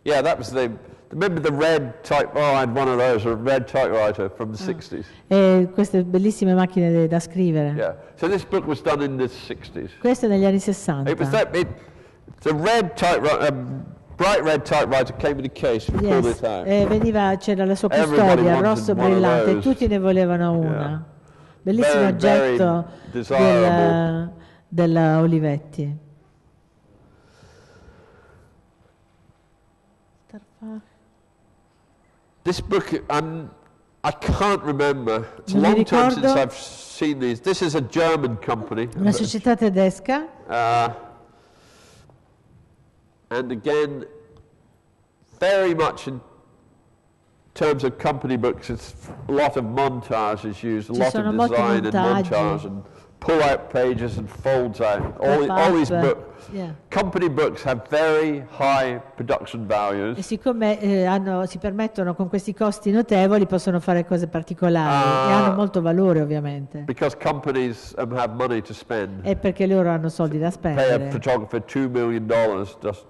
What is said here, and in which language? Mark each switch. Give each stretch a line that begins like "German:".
English: Yeah, that was the remember the red type. Oh, I had one of those, a red typewriter from the 60s.
Italian: Queste bellissime macchine da scrivere.
English: Yeah, so this book was done in the 60s.
Italian: Questo negli anni 60.
English: It was that the red typewriter, a bright red typewriter came in a case for all the time.
Italian: Veniva, c'era la sua custodia, rosso brillante, tutti ne volevano una.
English: Yeah.
Italian: Bellissimo
English: very,
Italian: oggetto della Olivetti.
English: This book, I can't remember. It's a long time since I've seen these. This is a German company. Una società tedesca. And again, very much in terms of company books, it's a lot of montage is used, a
Italian: ci
English: lot of design and montage and pull out pages and folds out. All these books. Yeah. Company books have very high production values.
Italian: E siccome si permettono con questi costi notevoli, possono fare cose particolari e hanno molto valore, ovviamente.
English: Because companies have money to spend.
Italian: E perché loro hanno soldi da spendere.
English: Pay a photographer $2 million just.